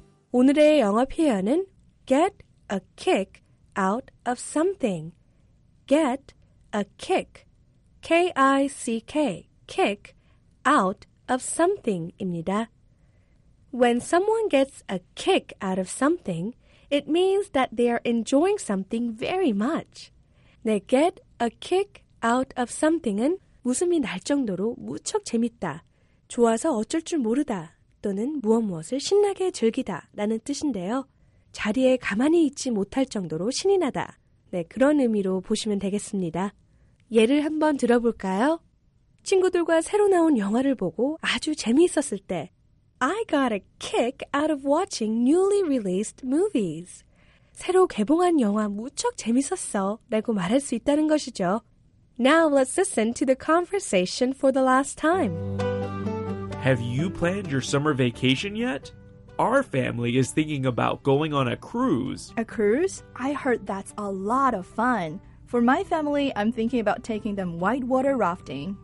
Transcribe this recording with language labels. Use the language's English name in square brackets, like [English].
[Korean] 오늘의 영어 표현은 [English] get a kick out of something. Get a kick. K-I-C-K. Kick out of something입니다. When someone gets a kick out of something, it means that they are enjoying something very much. [Korean] 네, [English] get a kick out of something [Korean] 은 웃음이 날 정도로 무척 재밌다, 좋아서 어쩔 줄 모르다 또는 무엇무엇을 신나게 즐기다 라는 뜻인데요. 자리에 가만히 있지 못할 정도로 신이 나다. 네, 그런 의미로 보시면 되겠습니다. 예를 한번 들어볼까요? 친구들과 새로 나온 영화를 보고 아주 재미있었을 때 [English] I got a kick out of watching newly released movies. [Korean] 새로 개봉한 영화 무척 재밌었어 라고 말할 수 있다는 것이죠. [English] Now let's listen to the conversation for the last time. Have you planned your summer vacation yet? Our family is thinking about going on a cruise. A cruise? I heard that's a lot of fun. For my family, I'm thinking about taking them whitewater rafting.